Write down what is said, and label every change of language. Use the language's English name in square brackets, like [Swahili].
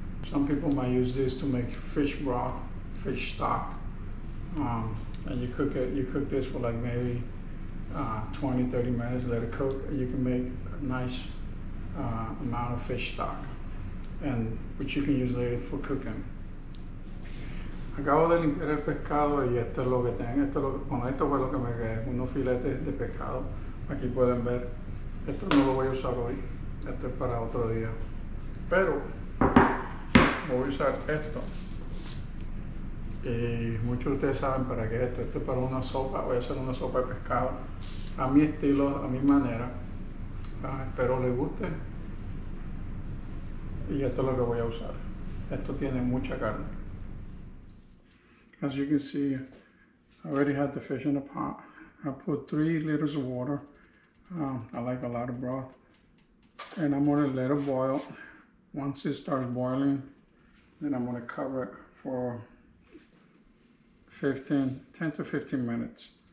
[English] Some people might use this to make fish broth, fish stock, and you cook it, you cook this for like maybe 20, 30 minutes, let it cook, and you can make a nice amount of fish stock, and which you can use later for cooking. [Spanish] Acabo de limpiar el pescado y esto es lo que tengo. Esto fue lo que me quedé, unos filetes de pescado. Aquí pueden ver, esto no lo voy a usar hoy, esto es para otro día. Pero voy a usar esto. Y muchos de ustedes saben para qué es esto. Esto es para una sopa, voy a hacer una sopa de pescado. A mi estilo, a mi manera. Espero les guste. Y esto es lo que voy a usar. Esto tiene mucha carne. [English] As you can see, I already had the fish in the pot. I put 3 liters of water. I like a lot of broth. And I'm gonna let it boil. Once it starts boiling, then I'm gonna cover it for 10 to 15 minutes.